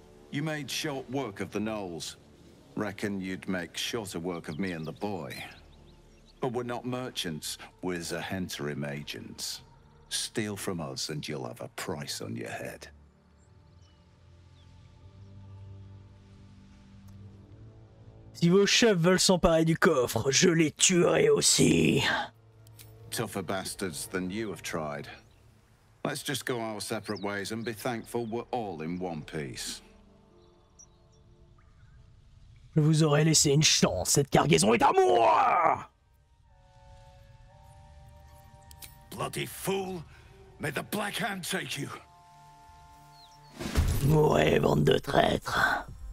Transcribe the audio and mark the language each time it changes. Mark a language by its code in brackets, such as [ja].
[en] You made short work of the gnolls. Reckon you'd make shorter work of me and the boy. But we're not merchants, we're Zahentarim agents. Steal from us and you'll have a price on your head. [fr] Si vos chefs veulent s'emparer du coffre, je les tuerai aussi. [en] Tougher bastards than you have tried. Let's just go our separate ways and be thankful we're all in one piece. [fr] Je vous aurais laissé une chance, cette cargaison est à moi! [en] Bloody fool! May the Black Hand take you! [fr] Mourez, bande de traîtres!